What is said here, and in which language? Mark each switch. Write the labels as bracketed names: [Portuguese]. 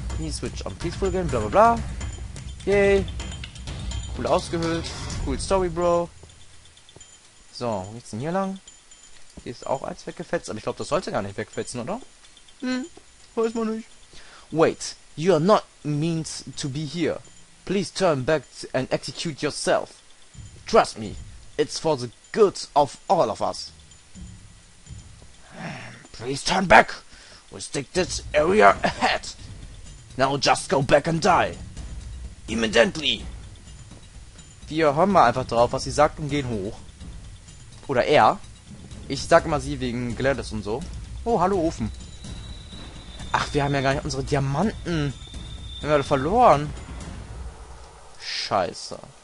[English] Switch on peaceful again, bla bla bla. Yay. [German] Cool ausgehöhlt. [English] Cool Story, Bro. [German] So, wo geht's denn hier lang? Hier ist auch eins weggefetzt, aber ich glaube, das sollte gar nicht wegfetzen, oder? Weiß man nicht. [English] Wait, you are not meant to be here. Please turn back and execute yourself. Trust me, it's for the good of all of us. Please turn back. We'll stick this area ahead. Now just go back and die. Immediately. [German] Wir hören mal einfach drauf, was sie sagt und gehen hoch. Oder er. Ich sag mal sie wegen Gladys und so. Oh, hallo Ofen. Ach, wir haben ja gar nicht unsere Diamanten. Wir haben ja verloren. Scheiße.